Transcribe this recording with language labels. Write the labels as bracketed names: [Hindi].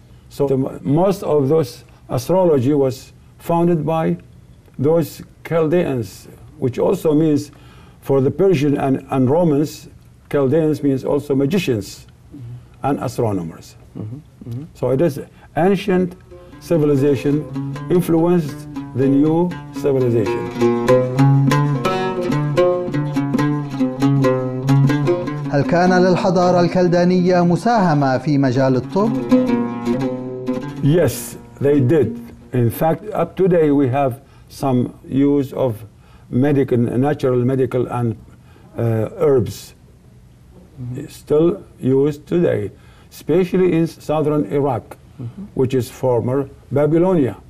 [English] So most of those astrology was founded by those Chaldeans, which also means for the Persian and Romans, Chaldeans means also magicians and astronomers. So it is ancient civilization influenced the new civilization. [Arabic] هل كان للحضارة الكلدانية مساهمة في مجال الطب؟ [English] Yes, they did. In fact, up today we have some use of medical, natural medical and herbs still used today, especially in southern Iraq, which is former Babylonia.